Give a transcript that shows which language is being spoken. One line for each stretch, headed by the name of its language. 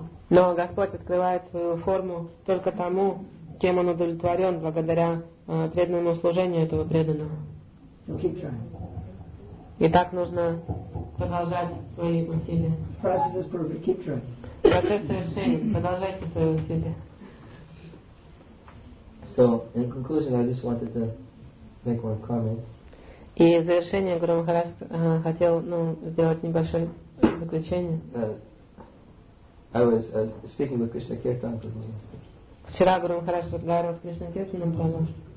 Russian: Но Господь открывает свою форму только тому, кем он удовлетворен благодаря преданному служению этого преданного. И так нужно продолжать свои усилия.
English: Process is perfect. Keep trying.
Russian: Процесс совершения. Продолжайте свои усилия.
English: So, in conclusion, I just wanted to make one comment.
Russian: И в завершение Гуру Махарадж хотел ну, сделать небольшой заключение.
English: I was speaking with Krishna Kirtan.
Russian: Вчера Гуру Махарадж разговаривал с Кришна Киртаном.